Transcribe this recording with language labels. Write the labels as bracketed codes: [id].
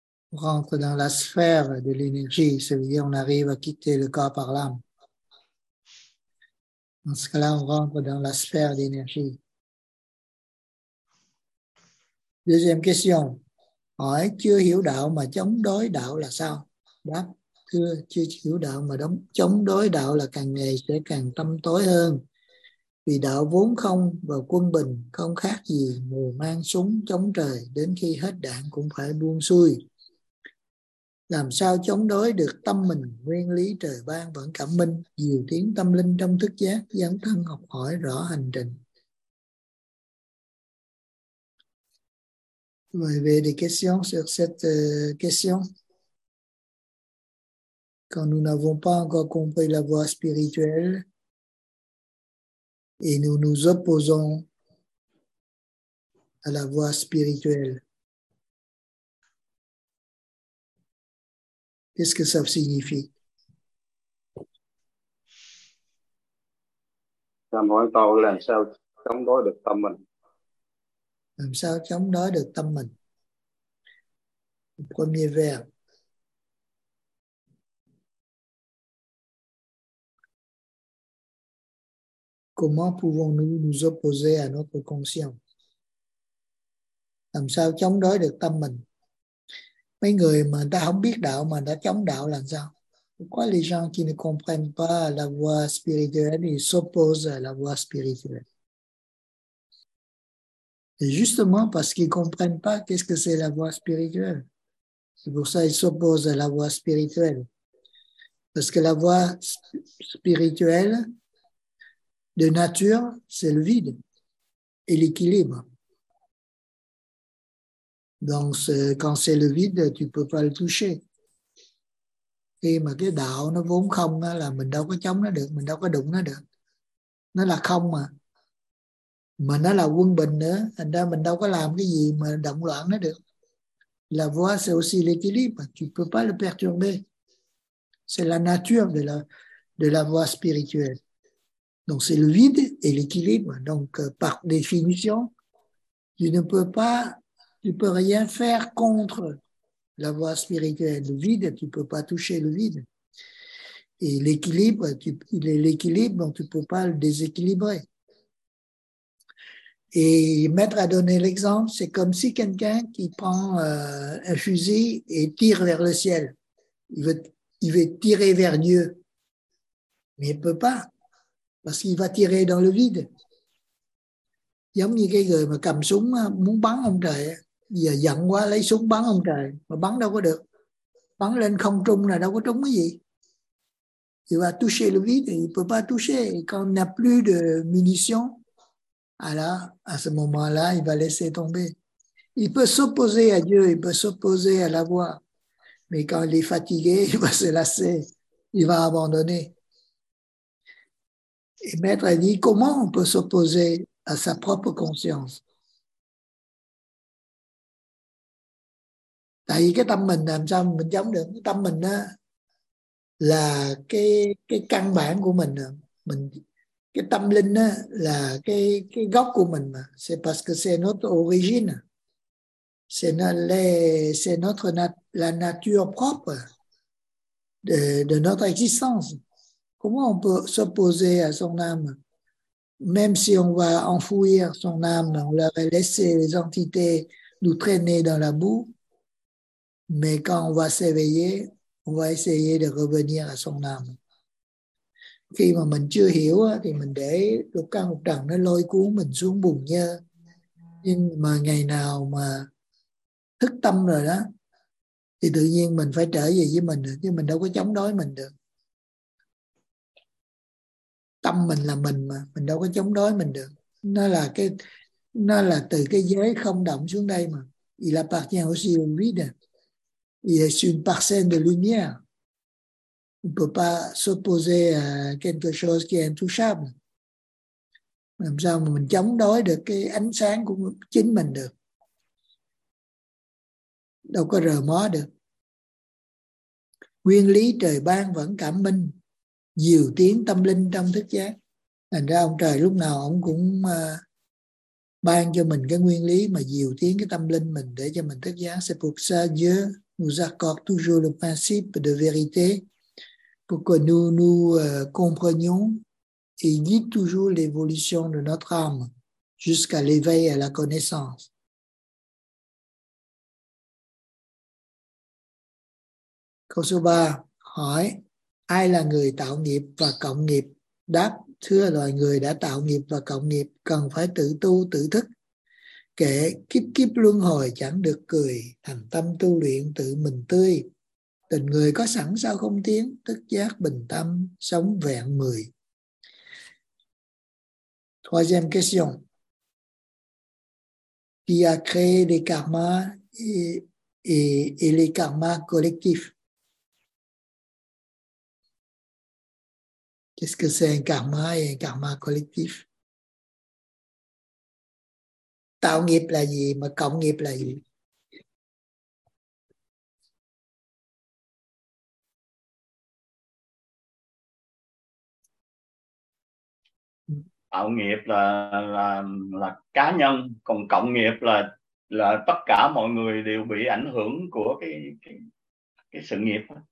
[fr] Rentre dans la sphère de l'énergie. Ça veut dire on arrive à quitter le corps par l'âme. Dans ce cas-là, on rentre dans la sphère d'énergie. Deuxième question. [vi] Hỏi chưa hiểu đạo mà chống đối đạo là sao? Đáp, chưa hiểu đạo mà chống đối đạo là càng ngày sẽ càng tâm tối hơn. Vì đạo vốn không và quân bình không khác gì mù mang súng chống trời đến khi hết đạn cũng phải buông xuôi. Làm sao chống đối được tâm mình, nguyên lý trời ban vẫn cảm minh, nhiều tiếng tâm linh trong thức giác, dấn thân học hỏi rõ hành trình. [fr] Vous avez des questions sur cette question? Quand nous n'avons pas encore compris la voie spirituelle et nous nous opposons à la voie spirituelle, qu'est-ce que ça signifie? [vi] Làm sao chống đối được tâm mình? [fr] Le premier vers. Comment pouvons-nous nous opposer à notre conscience? [vi] Làm sao chống đối được tâm mình? Mấy người mà ta không biết đạo mà đã chống đạo làm sao? [fr] Pourquoi les gens qui ne comprennent pas la voie spirituelle ils s'opposent à la voie spirituelle? Et justement parce qu'ils ne comprennent pas qu'est-ce que c'est la voie spirituelle. C'est pour ça qu'ils s'opposent à la voie spirituelle. Parce que la voie spirituelle, de nature, c'est le vide et l'équilibre. Donc, quand c'est le vide, tu ne peux pas le toucher. [vi] Khi mà cái đạo nó vốn không là mình đâu có chống nó được, mình đâu có đụng nó được. Nó là không mà. Mà nó là quân bình nữa, thành ra mình đâu có làm cái gì mà động loạn nó được. [fr] La voix, c'est aussi l'équilibre. Tu ne peux pas le perturber. C'est la nature de la voix spirituelle. Donc, c'est le vide et l'équilibre. Donc, par définition, tu ne peux rien faire contre la voie spirituelle. Le vide, tu ne peux pas toucher le vide. Et l'équilibre, l'équilibre, donc tu ne peux pas le déséquilibrer. Et maître a donné l'exemple, c'est comme si quelqu'un qui prend un fusil et tire vers le ciel. Il veut tirer vers Dieu. Mais il ne peut pas, parce qu'il va tirer dans le vide. [vi] Giống như cái người mà cầm súng muốn bắn ông trời á. Giờ giận quá lấy súng bắn ông trời mà bắn đâu có được, bắn lên không trung là đâu có trúng cái gì. [fr] Il va toucher le vide, il peut pas toucher. Quand on n'a plus de munitions, alors à ce moment-là, il va laisser tomber. Il peut s'opposer à Dieu, il peut s'opposer à la voie. Mais quand il est fatigué, il va se lasser, il va abandonner. Et Maître a dit, comment on peut s'opposer à sa propre conscience? [vi] Tại vì cái tâm mình làm sao mình chống được cái tâm mình á là cái căn bản của mình, mình cái tâm linh á là cái gốc của mình mà. [fr] C'est parce que c'est notre origine. C'est notre la nature propre de notre existence. Comment on peut s'opposer à son âme? Même si on va enfouir son âme, on leur a laissé les entités nous traîner dans la boue. Mais quand on va s'éveiller, on va essayer de revenir à son âme. [vi] Khi mà mình chưa hiểu thì mình để lục căn lục trần nó lôi cuốn mình xuống bùn nhơ. Nhưng mà ngày nào mà thức tâm rồi đó thì tự nhiên mình phải trở về với mình được, chứ mình đâu có chống đối mình được. Tâm mình là mình mà, mình đâu có chống đối mình được. Nó là từ cái giới không động xuống đây mà. [fr] Il appartient aussi au vide. Il est une parcelle de lumière. On ne peut pas s'opposer à quelque chose qui est intouchable. [vi] Làm sao mà mình chống đối được cái ánh sáng của chính mình được. Đâu có rờ mó được. Nguyên lý trời ban vẫn cảm minh, diệu tiếng tâm linh trong thức giác. Thành ra ông trời lúc nào ông cũng ban cho mình cái nguyên lý mà diệu tiếng cái tâm linh mình để cho mình thức giác. [fr] C'est pour ça Dieu nous accorde toujours le principe de vérité pour que nous comprenions et guide toujours l'évolution de notre âme jusqu'à l'éveil à la connaissance. [vi] Câu số 3 hỏi, ai là người tạo nghiệp và cộng nghiệp? Đáp, thưa loài người đã tạo nghiệp và cộng nghiệp cần phải tự tu, tự thức. Kể kiếp kiếp luân hồi chẳng được cười, thành tâm tu luyện tự mình tươi. Tình người có sẵn sao không tiếng, thức giác bình tâm, sống vẹn mười. [fr] Troisième question. Qui a créé les karmas et les karmas collectifs? Qu'est-ce que c'est un karma et un karma collectif? [vi] Tạo nghiệp là gì mà cộng nghiệp là gì? Tạo nghiệp là cá nhân, còn cộng nghiệp là tất cả mọi người đều bị ảnh hưởng của cái sự nghiệp.